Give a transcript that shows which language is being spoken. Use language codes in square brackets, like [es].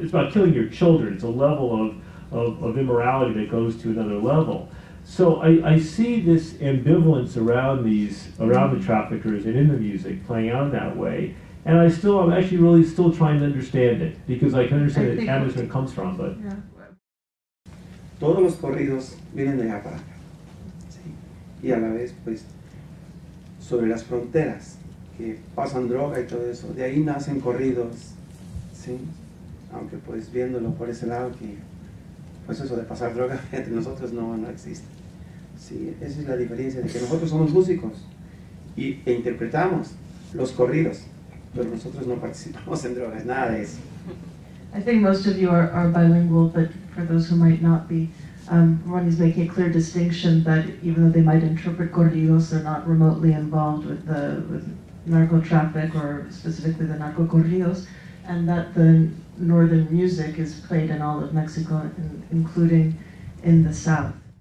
[en] It's about killing your children. It's a level of immorality that goes to another level. So I see this ambivalence around the traffickers and in the music playing out that way. And I'm actually really still trying to understand it, because I can understand that amateur comes from, but. Yeah. [es] Todos los corridos vienen de la palabra, ¿sí? Y a la vez, pues, sobre las fronteras, que pasan droga y todo eso, de ahí nacen corridos, ¿sí? Aunque, pues, viéndolo por ese lado, que, pues, eso de pasar droga entre nosotros no existe, ¿sí? Esa es la diferencia, de que nosotros somos músicos e interpretamos los corridos, pero nosotros no participamos en drogas, nada de eso. [en] I think most of you are bilingual, but for those who might not be, Ronnie's making a clear distinction that even though they might interpret corridos, they're not remotely involved with narco traffic, or specifically the narco corridos, and that the northern music is played in all of Mexico, including in the south.